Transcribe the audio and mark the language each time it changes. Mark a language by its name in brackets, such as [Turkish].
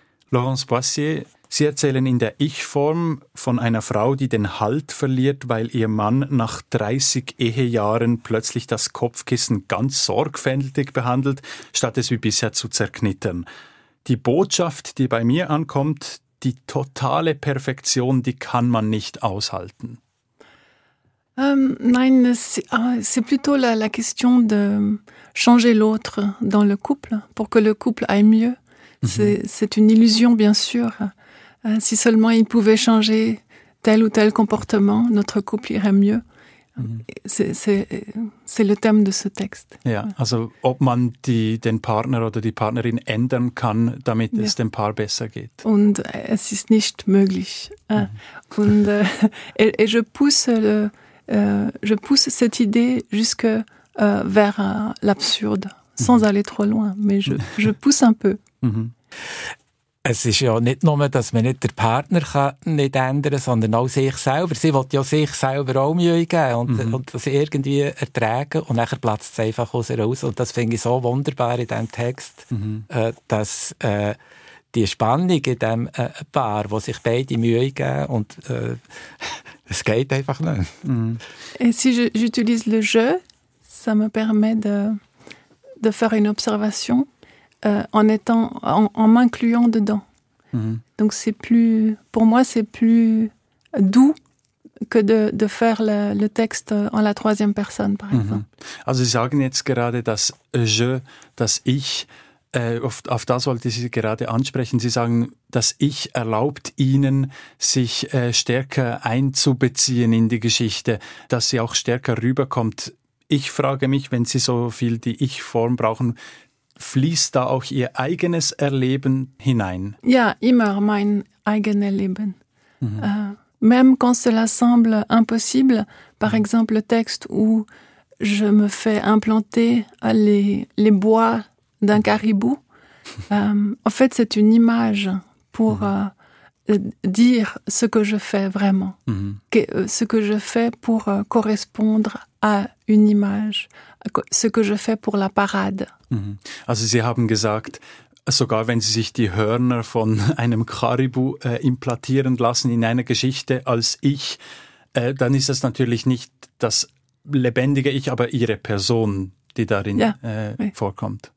[German] Laurence Boissier, Sie erzählen in der Ich-Form von einer Frau, die den Halt verliert, weil ihr Mann nach 30 Ehejahren plötzlich das Kopfkissen ganz sorgfältig behandelt, statt es wie bisher zu zerknittern. Die Botschaft, die bei mir ankommt, die totale Perfektion, die kann man nicht aushalten. [French] Nein, c'est plutôt la question de changer l'autre dans le couple, pour que le couple aille mieux. C'est une illusion, bien sûr. Si seulement il pouvait changer tel ou tel comportement, notre couple irait mieux. C'est le thème de ce texte. [German] Ja, also ob man den Partner oder die Partnerin ändern kann, damit es dem Paar besser geht. Und es ist nicht möglich. Mhm. [French] Und et je pousse cette idée jusque vers l'absurde, sans aller trop loin, mais je pousse un peu. [German] Es ist ja nicht nur, dass man nicht den Partner nicht ändern kann, sondern auch sich selber. Sie will ja sich selber auch Mühe geben und das irgendwie ertragen. Und dann platzt es einfach aus ihr raus. Und das finde ich so wunderbar in diesem Text, dass die Spannung in diesem Paar, wo sich beide Mühe geben und es geht einfach nicht. [French] Et si j'utilise le jeu, ça me permet de faire une observation. En m'incluant dedans. Donc c'est plus, pour moi c'est plus doux que de faire le texte en la troisième personne par exemple. [German] Also Sie sagen jetzt gerade das Je, das Ich, auf das wollte Sie gerade ansprechen. Sie sagen, das Ich erlaubt Ihnen, sich stärker einzubeziehen in die Geschichte, dass sie auch stärker rüberkommt. Ich frage mich, wenn Sie so viel die Ich-Form brauchen, fließt da auch Ihr eigenes Erleben hinein? Ja, immer mein eigenes Leben. [French] Même quand cela semble impossible, par exemple le texte où je me fais implanter les bois d'un caribou, en fait c'est une image pour dire ce que je fais vraiment, ce que je fais pour correspondre à une image, ce que je fais pour la parade. [German] Also Sie haben gesagt, sogar wenn Sie sich die Hörner von einem Karibu implantieren lassen in einer Geschichte als Ich, dann ist das natürlich nicht das lebendige Ich, aber Ihre Person, die darin vorkommt.